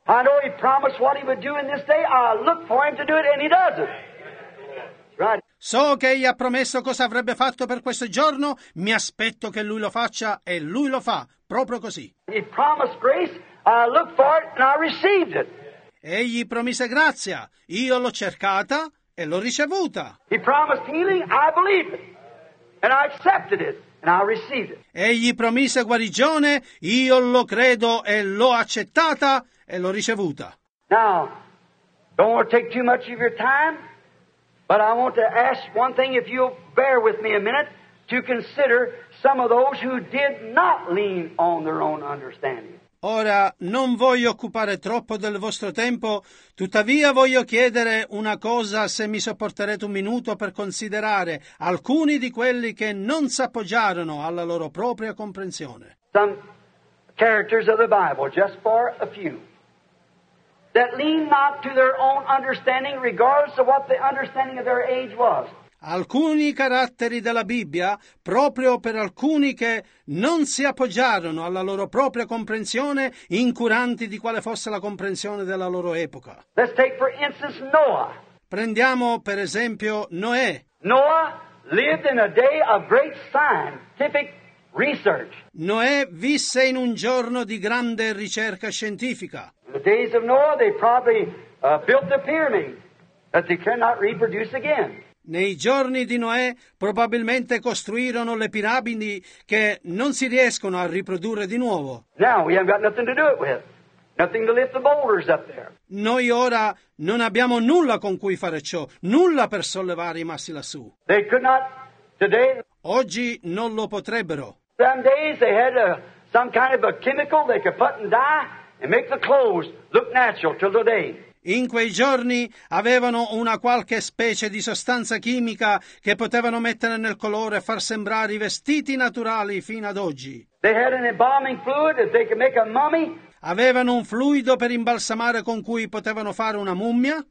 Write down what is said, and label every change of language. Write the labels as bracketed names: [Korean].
[English] I know he promised what he would do in this day. I look for him to do it, and he does it. Right. [Italian] So che egli ha promesso cosa avrebbe fatto per questo giorno, mi aspetto che lui lo faccia, e lui lo fa, proprio così. [English] He promised grace. I look for it, and I received it. [Italian] Egli promise grazia, io l'ho cercata e l'ho ricevuta. [English] He promised healing. I believe it. And I accepted it, and I received it. [Italian] Egli promise guarigione, io lo credo e l'ho accettata e l'ho ricevuta. [English] Now, don't want to take too much of your time, but I want to ask one thing, if you'll bear with me a minute, to consider some of those who did not lean on their own understanding. [Italian] Ora, non voglio occupare troppo del vostro tempo, tuttavia voglio chiedere una cosa, se mi sopporterete un minuto per considerare alcuni di quelli che non s'appoggiarono alla loro propria comprensione. [English] Some characters of the Bible, just for a few, that lean not to their own understanding, regardless of what the understanding of their age was. [Italian] Alcuni caratteri della Bibbia, proprio per alcuni che non si appoggiarono alla loro propria comprensione, incuranti di quale fosse la comprensione della loro epoca. [English] Let's take for instance Noah. [Italian] Prendiamo per esempio Noè. [English] Noah lived in a day of great scientific research. [Italian] Noè visse in un giorno di grande ricerca scientifica. [English] In the days of Noah, they probably built the pyramids that they cannot reproduce again. [Italian] Nei giorni di Noè probabilmente costruirono le piramidi che non si riescono a riprodurre di nuovo. [English] Now we haven't got nothing to do it with. Nothing to lift the boulders up there. [Italian] Noi ora non abbiamo nulla con cui fare ciò, nulla per sollevare i massi lassù. [English] They could not today. [Italian] Oggi non lo potrebbero. [English] Some days they had some kind of a chemical they could put and dye and make the clothes look natural till today. [Italian] In quei giorni avevano una qualche specie di sostanza chimica che potevano mettere nel colore e far sembrare i vestiti naturali fino ad oggi. [English] They had an embalming fluid that they could make a mummy. [Italian] Avevano un fluido per imbalsamare con cui potevano fare una mummia.